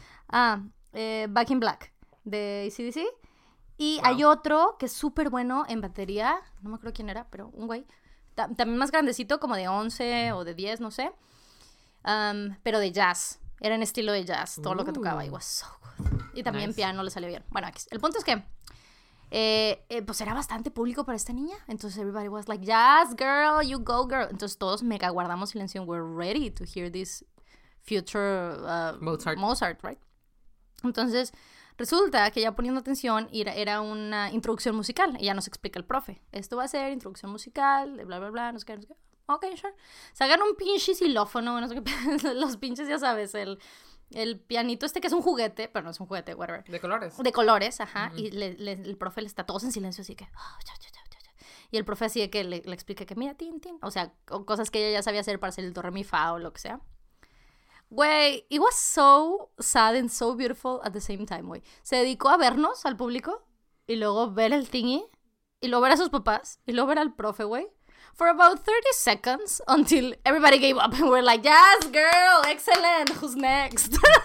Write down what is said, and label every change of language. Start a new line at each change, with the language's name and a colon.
Spanish: Back in Black de AC/DC, y hay otro que es súper bueno en batería, no me acuerdo quién era, pero un güey también más grandecito, como de 11 o de 10, no sé, pero de jazz. Era en estilo de jazz, todo lo que tocaba. Y
English: was so good.
Spanish: Y también piano le salió bien. Bueno, aquí, el punto es que pues era bastante público para esta niña.
English: Entonces everybody was like, yes, girl, you go, girl.
Spanish: Entonces todos mega guardamos silencio.
English: We're ready to hear this future Mozart, right?
Spanish: Entonces resulta que ya poniendo atención, era una introducción musical. Y ya nos explica el profe. Esto va a ser introducción musical, de bla, bla, bla, no sé qué, no sé qué. Ok, sure. Sacan un pinche xilófono, no sé qué, los pinches, ya sabes, el pianito este que es un juguete, pero no es un juguete, whatever. De colores. De colores, ajá. Mm-hmm. Y el profe le está todos en silencio, así que... Y el profe así de que le explica que mira, tin, tin. O sea, cosas que ella ya sabía hacer para hacer el do, re, mi, fa o lo que sea.
English: Güey, it was so sad and so beautiful at the same time, güey.
Spanish: Se dedicó a vernos al público y luego ver el thingy y luego ver a sus papás y luego ver al profe, güey.
English: For about 30 seconds until everybody gave up and we're like, yes, girl, excellent, who's next?